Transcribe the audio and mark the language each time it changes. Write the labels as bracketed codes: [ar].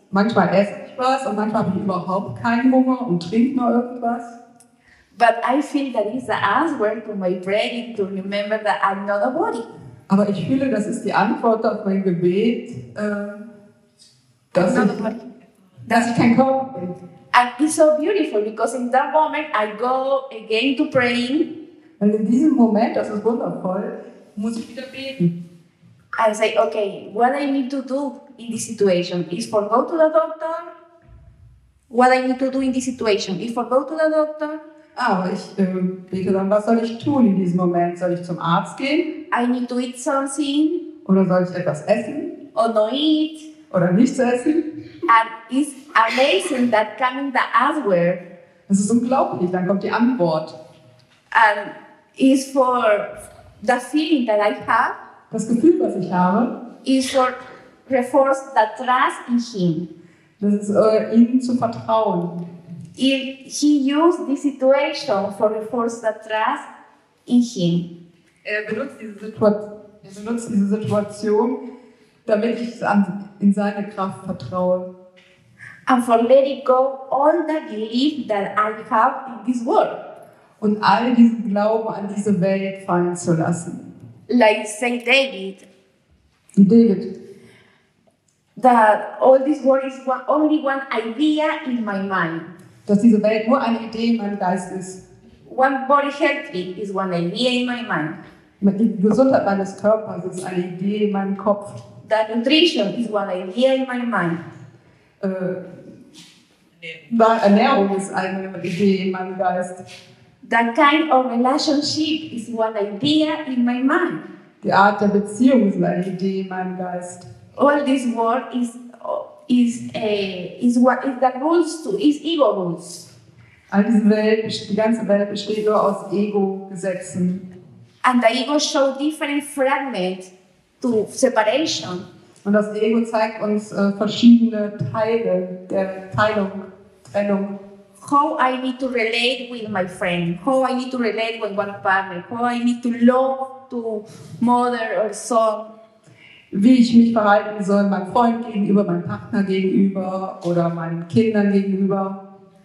[de] Manchmal esse ich was und manchmal habe ich überhaupt keinen Hunger und trinke nur irgendwas. [en] But I feel that is the answer to my praying to remember that I'm not a body. [de] Aber ich fühle, das ist die Antwort auf mein Gebet, dass ich kein Körper bin. [en] And it's so beautiful because in that moment I go again to praying. [de] Und in diesem Moment, das ist wundervoll, muss ich wieder beten. [en] I say, okay, what I need to do in this situation is for go to the doctor. What I need to do in this situation is for go to the doctor. [de] Ah, ich bete dann, was soll ich tun in diesem Moment? Soll ich zum Arzt gehen? [en] I need to eat something. [de] Oder soll ich etwas essen? [en] Or no eat. [de] Oder nichts essen? [en] And it's amazing that coming the answer. [de] Das ist unglaublich, dann kommt die Antwort. [en] And it's for the feeling that I have. [de] Das Gefühl, was ich habe, [en] is for reinforce the trust in him. [de] Das ist ihm zu vertrauen. [en] He used this situation for reinforce the trust in him. [de] Er benutzt diese Situation. Damit ich in seine Kraft vertraue. [en] And for letting go all the belief that I have in this world. [de] Und all diesen Glauben an diese Welt fallen zu lassen. [en] Like Saint David. [de] David. [en] That all this world is one, only one idea in my mind. [de] Dass diese Welt nur eine Idee in meinem Geist ist. [en] One body healthy is one idea in my mind. [de] Die Gesundheit meines Körpers ist eine Idee in meinem Kopf. [en] The nutrition is one idea in my mind. [de] Ernährung ist eine Idee in meinem Geist. [en] The kind of relationship is one idea in my mind. [de] Die Art der Beziehung ist eine Idee in meinem Geist. [en] All this world is what is the rules to is ego rules. [de] All diese Welt, die ganze Welt besteht nur aus Ego-Gesetzen. [en] And the ego show different fragments to separation. [de] Und das Ego zeigt uns verschiedene Teile der Teilung, Trennung. [en] How I need to relate with my friend, how I need to relate with one partner, how I need to love to mother or son. [de] Wie ich mich verhalten soll, meinem Freund gegenüber, meinem Partner gegenüber oder meinen Kindern gegenüber.